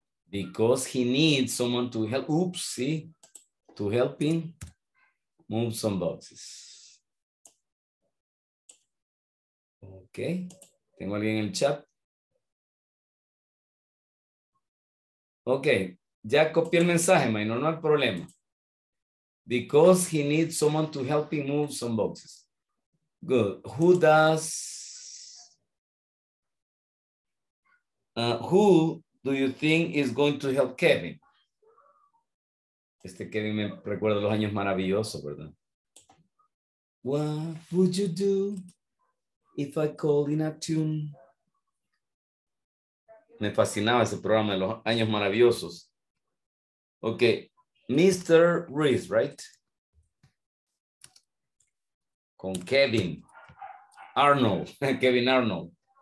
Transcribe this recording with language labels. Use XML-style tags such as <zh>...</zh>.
<en>Because he needs someone to help. Oops, see? To help him move some boxes.</en> <es>Okay. ¿Tengo alguien en el chat?</es> <en>Okay.</en> <es>Ya copié el mensaje, Maynor, no hay problema.</es> <en>Because he needs someone to help him move some boxes. Good. Who does... who do you think is going to help Kevin?</en> <es>Este Kevin me recuerda los años maravillosos, ¿verdad?</es> <en>What would you do if I called in a tune?</en> <es>Me fascinaba ese programa de los años maravillosos.</es> <en>Okay, Mr. Reese, right?</en> <es>Con Kevin Arnold, Kevin Arnold.</es>